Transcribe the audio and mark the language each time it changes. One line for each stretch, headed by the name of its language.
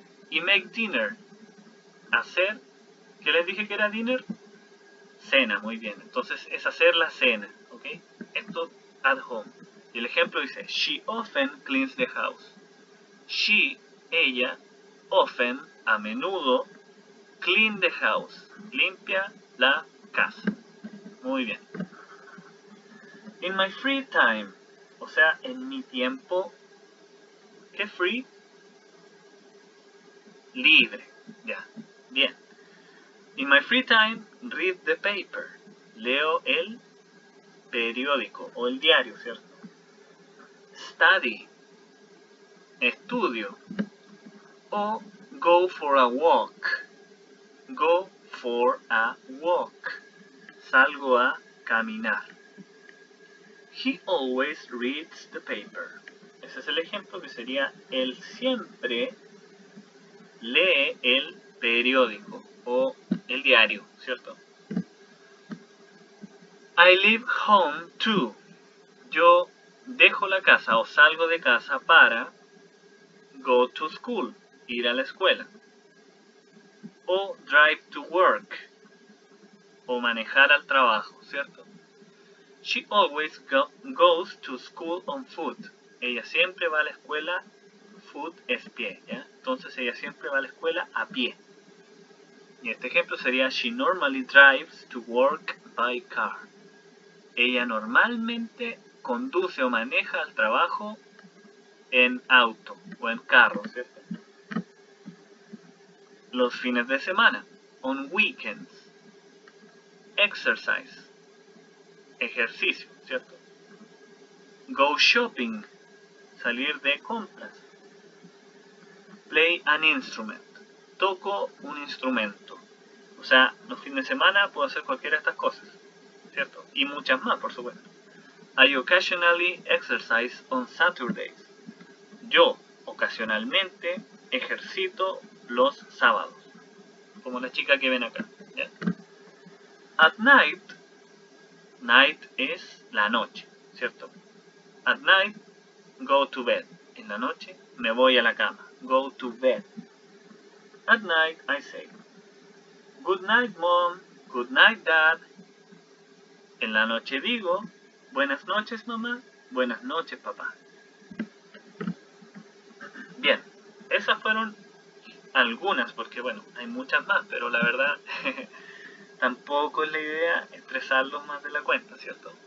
Spanish: Y
English: make dinner,
Spanish: hacer, ¿qué les dije que era
English: dinner?
Spanish: Cena, muy bien, entonces es hacer la cena, ¿ok? Esto
English: at home.
Spanish: Y el ejemplo dice,
English: she often cleans the house. She,
Spanish: ella,
English: often,
Spanish: a menudo,
English: clean the house,
Spanish: limpia la casa. Muy bien.
English: In my free time,
Spanish: o sea, en mi tiempo, ¿qué
English: free?
Spanish: Libre, ya,
English: yeah.
Spanish: Bien.
English: In my free time, read the paper,
Spanish: leo el periódico o el diario, ¿cierto?
English: Study,
Spanish: estudio, o
English: go for a walk, go for a walk,
Spanish: salgo a caminar.
English: He always reads the paper.
Spanish: Ese es el ejemplo que sería él siempre lee el periódico o el diario, ¿cierto?
English: I leave home too.
Spanish: Yo dejo la casa o salgo de casa para
English: go to school,
Spanish: ir a la escuela. O
English: drive to work,
Spanish: o manejar al trabajo, ¿cierto?
English: She always goes to school on foot.
Spanish: Ella siempre va a la escuela,
English: foot
Spanish: es pie, ¿ya? Entonces ella siempre va a la escuela a pie. Y este ejemplo sería,
English: she normally drives to work by car.
Spanish: Ella normalmente conduce o maneja al trabajo en auto o en carro, ¿cierto? Los fines de semana,
English: on weekends, exercise,
Spanish: ejercicio, ¿cierto?
English: Go shopping, salir de compras. Play an instrument.
Spanish: Toco un instrumento. O sea, los fines de semana puedo hacer cualquiera de estas cosas, ¿cierto? Y muchas más, por supuesto.
English: I occasionally exercise on Saturdays.
Spanish: Yo ocasionalmente ejercito los sábados. Como la chica que ven acá, ¿ya?
English: At night, night
Spanish: es la noche, ¿cierto?
English: At night, go to bed.
Spanish: En la noche, me voy a la cama.
English: Go to bed. At night, I say, good night, mom. Good night, dad.
Spanish: En la noche digo, buenas noches, mamá. Buenas noches, papá. Bien, esas fueron algunas, porque bueno, hay muchas más, pero la verdad, tampoco es la idea estresarlos más de la cuenta, ¿cierto?